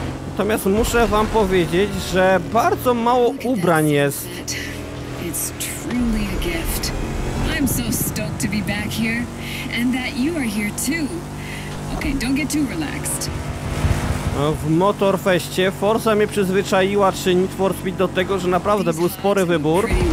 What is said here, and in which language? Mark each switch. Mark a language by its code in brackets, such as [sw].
[pl] Natomiast muszę wam powiedzieć, że bardzo mało ubrań jest. [en] It's truly a gift. I'm so stoked to be back here and that you are here too. Okay, don't get too relaxed. [pl] W Motorfeście Forza mnie przyzwyczaiła, czy Need for Speed, do tego, że naprawdę był spory wybór.